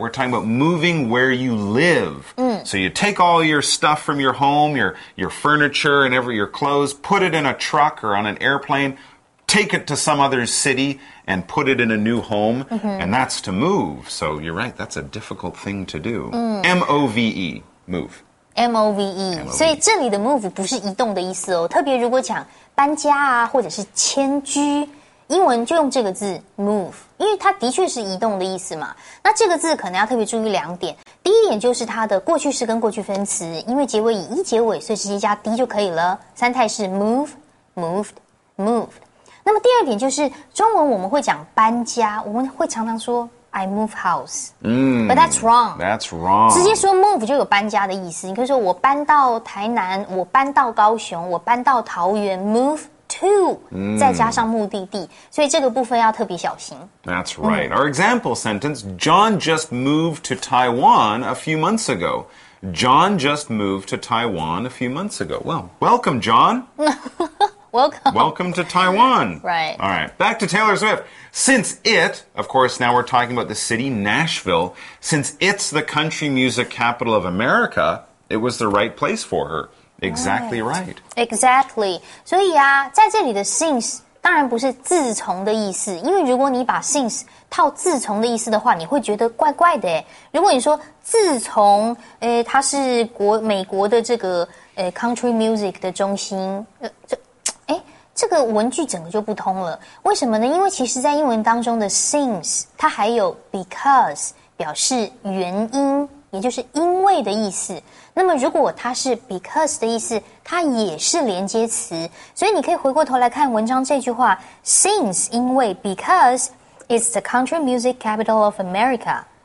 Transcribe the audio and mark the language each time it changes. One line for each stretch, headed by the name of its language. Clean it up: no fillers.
English: We're talking about moving where you live. So you take all your stuff from your home, your furniture and your clothes, put it in a truck or on an airplane, take it to some other city and put it in a new home, and that's to move. So you're right, that's a difficult thing to do. M-O-V-E, move. M-O-V-E.
Chinese: 所以这里的 move 不是移动的意思哦，特别如果讲搬家啊，或者是迁居，英文就用这个字 move， 因为它的确是移动的意思嘛。那这个字可能要特别注意两点，第一点就是它的过去式跟过去分词，因为结尾以 e 结尾，所以直接加 d 就可以了。三态是 move, moved, moved。那么第二点就是中文我们会讲搬家，我们会常常说
English: I move house， but that's wrong， that's wrong，
Chinese: 直接说 move 就有搬家的意思，你可以说我搬到台南，我搬到高雄，我搬到桃园，
English: move to，
Chinese: 再加上目的地，所以这个部分要特别小心。
English: That's right. Our example sentence, John just moved to Taiwan a few months ago. John just moved to Taiwan a few months ago. Well, welcome John. Welcome to Taiwan. Right. All right. Back to Taylor Swift. Since it, of course, now we're talking about the city, Nashville, since it's the country music capital of America, it was the right place for her. Exactly right. Exactly.
Chinese: 所以啊，在这里的 since 当然不是自从的意思，因为如果你把 since 套自从的意思的话，你会觉得怪怪的。如果你说自从，它是美国的这个country music 的中心，这个文句整个就不通了，为什么呢？因为其实在英文当中的 since 它还有 because 表示原因，也就是因为的意思，那么如果它是 because 的意思，它也是连接词，所以你可以回过头来看文章这句话， since 因为
English: because is the country music capital of America，